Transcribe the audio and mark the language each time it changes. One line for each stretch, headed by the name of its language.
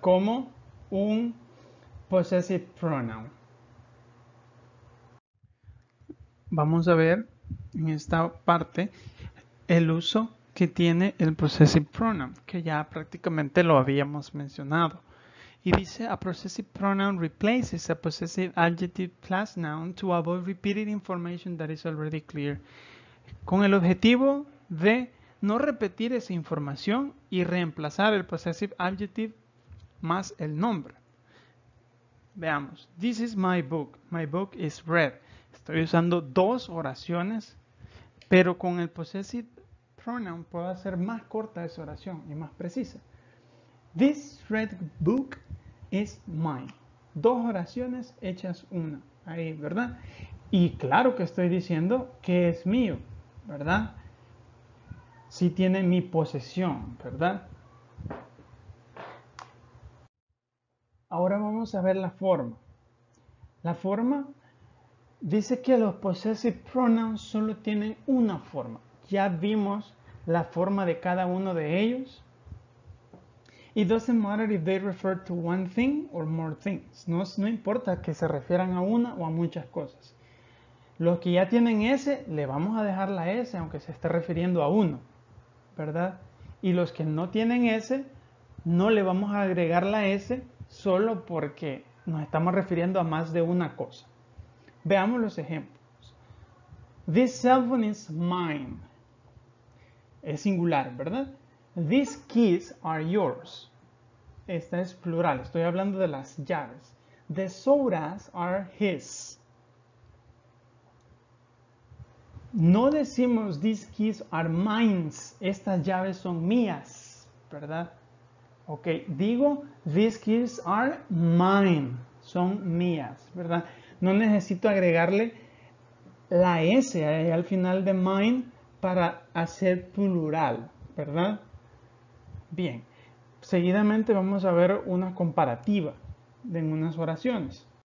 Spanish: Como un possessive pronoun. Vamos a ver en esta parte el uso que tiene el possessive pronoun, que ya prácticamente lo habíamos mencionado. Y dice,
English: a possessive pronoun replaces a possessive adjective plus noun to avoid repeated information that is already clear.
Spanish: Con el objetivo de no repetir esa información y reemplazar el possessive adjective más el nombre. Veamos.
English: This is my book. My book is red.
Spanish: Estoy usando dos oraciones, pero con el possessive pronoun puedo hacer más corta esa oración y más precisa.
English: This red book is mine.
Spanish: Dos oraciones hechas una. Ahí, ¿verdad? Y claro que estoy diciendo que es mío, ¿verdad? Sí tiene mi posesión, ¿verdad? Ahora vamos a ver la forma. La forma dice que los possessive pronouns solo tienen una forma. Ya vimos la forma de cada uno de ellos.
English: It doesn't matter if they refer to one thing or more things.
Spanish: No importa que se refieran a una o a muchas cosas. Los que ya tienen S, le vamos a dejar la S, aunque se esté refiriendo a uno, ¿verdad? Y los que no tienen S, no le vamos a agregar la S solo porque nos estamos refiriendo a más de una cosa. Veamos los ejemplos.
English: This cell phone is mine.
Spanish: Es singular, ¿verdad?
English: These keys are yours.
Spanish: Esta es plural. Estoy hablando de las llaves.
English: The sodas are his.
Spanish: No decimos
English: these keys are mine.
Spanish: Estas llaves son mías, ¿verdad?
English: Ok,
Spanish: digo
English: these keys are mine.
Spanish: Son mías, ¿verdad? No necesito agregarle la S al final de mine para hacer plural, ¿verdad? Bien, seguidamente vamos a ver una comparativa en unas oraciones.